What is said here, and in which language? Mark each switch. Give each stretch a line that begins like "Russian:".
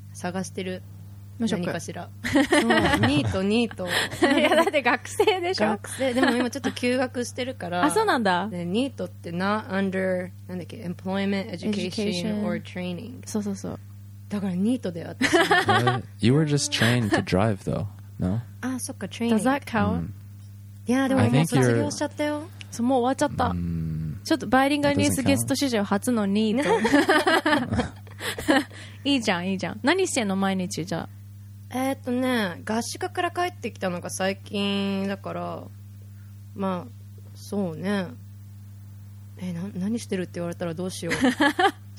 Japanese: 探してる。何かしら。そう、ニート。いや、だって学生でしょ。学生。でも今ちょっと休学してるから。あ、そうなんだ。で、ニートって
English: not under、
Japanese: なんだっけ、
English: employment, education, or training。
Japanese: そうそうそう。だからニートであった。
English: You were just trained to drive, though, no?
Japanese: あ、そっか、training。
English: Does that count?
Japanese: いや、でももう卒業しちゃったよ。そう、もう終わっちゃった。ちょっとバイリンガルニュースゲスト史上初のニート。いいじゃんいいじゃん。何してんの毎日じゃあ。ね、合宿から帰ってきたのが最近だから、まあそうね、何してるって言われたらどうしよう。